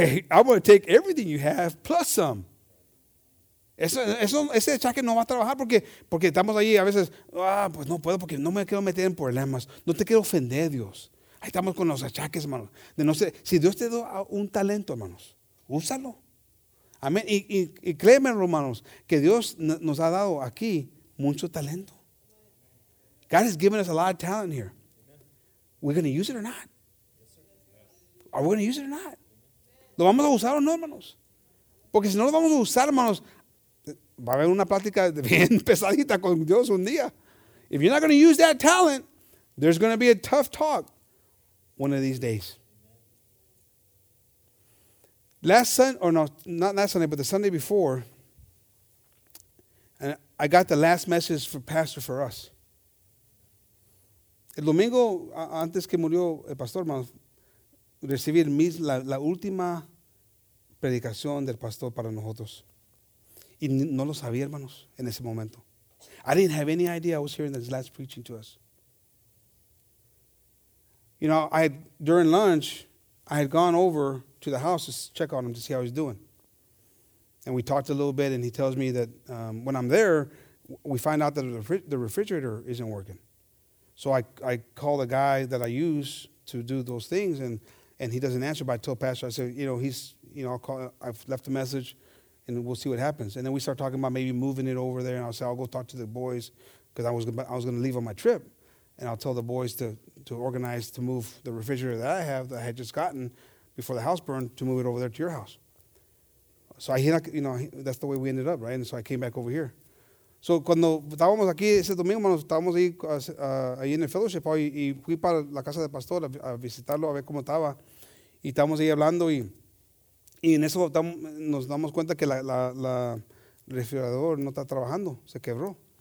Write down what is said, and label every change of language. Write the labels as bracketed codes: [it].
[en] I'm going to take everything you have plus some. [es] Ese achaque no va a trabajar porque estamos ahí a veces, pues no puedo porque no me quiero meter en problemas. No te quiero ofender, Dios. Ahí estamos con los achaques, hermanos. De no ser, si Dios te da un talento, hermanos, úsalo. Amén. Y créeme, hermanos, que Dios nos ha dado aquí mucho talento. [en] God has given us a lot of talent here. We're going to use it or not? Are we going to use it or not? [es] ¿Lo vamos a usar o no, hermanos? Porque si no lo vamos a usar, hermanos, va a haber una plática bien pesadita con Dios un día. [en] If you're not going to use that talent, there's going to be a tough talk one of these days. Not last Sunday, but the Sunday before, and I got the last message for Pastor for us. [es] El domingo, antes que murió el pastor, recibí la última predicación del pastor para nosotros. Y no lo sabía, hermanos, en ese momento. [en] I didn't have any idea I was hearing this last preaching to us. You know, during lunch, I had gone over to the house to check on him to see how he's doing. And we talked a little bit, and he tells me that when I'm there, we find out that the refrigerator isn't working. So I call the guy that I use to do those things, and he doesn't answer. But I told Pastor, I said, you know, I've left a message, and we'll see what happens. And then we start talking about maybe moving it over there, and I'll say, I'll go talk to the boys, because I was going to leave on my trip, and I'll tell the boys to organize to move the refrigerator that I had just gotten before the house burned, to move it over there to your house. So I, you know, that's the way we ended up, right? And so I came back over here. [es] So cuando estábamos aquí ese domingo, hermanos, estábamos ahí en el fellowship, y fui para la casa del pastor a visitarlo, a ver cómo estaba. Y estábamos ahí hablando, y en eso nos damos cuenta que la refrigerador no está trabajando, se quebró.